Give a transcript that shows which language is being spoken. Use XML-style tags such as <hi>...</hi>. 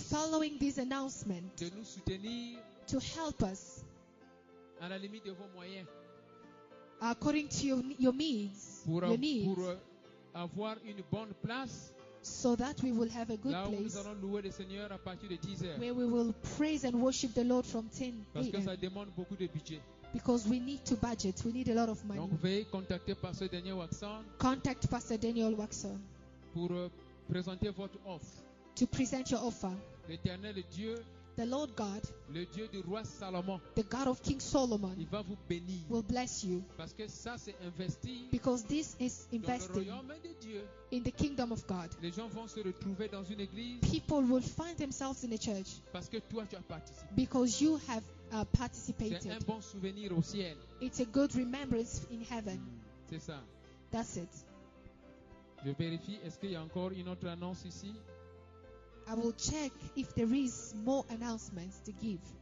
<en>following this announcement</en> <fr>de nous soutenir</fr> <en>to help us</en> <fr>à la limite de vos moyens</fr> <en>according to your needs,</en> <fr>pour,</fr> <en>your needs</en> <fr>pour avoir une bonne place</fr> <en>so that we will have a good</en> <fr>là où</fr> <en>place</en> <fr>nous allons louer le Seigneur à partir de 10 heures</fr> <en>where we will praise and worship the Lord from 10 a.m.</en> <fr>parce que ça demande beaucoup de budget.</fr> <en>Because we need to budget, we need a lot of money.</en> <fr>Donc veuillez contacter Pasteur Daniel Waxon.</fr> <en>Contact Pasteur Daniel Waxon.</en> <fr>Pour présenter votre offre.</fr> <en>To present your offer.</en> <fr>L'Éternel Dieu.</fr> <en>The Lord God.</en> <fr>Le Dieu du roi Salomon.</fr> <en>The God of King Solomon.</en> <fr>Il va vous bénir.</fr> <en>Will bless you.</en> <fr>Parce que ça c'est investi.</fr> <en>Because this is investing.</en> <fr>Dans le royaume de Dieu.</fr> <en>In the kingdom of God.</en> <fr>Les gens vont se retrouver dans une église.</fr> <en>People will find themselves in a church.</en> <fr>Parce que toi tu as participé.</fr> <en>Because you have participated.</en> <fr>C'est un bon souvenir au ciel.</fr> <en>It's a good remembrance in heaven.</en> <fr>C'est ça.</fr> <en>That's it.</en> <fr>Je vérifie, est-ce qu'il y a encore une autre annonce ici?</fr> <en>I will check if there is more announcements to give.</en>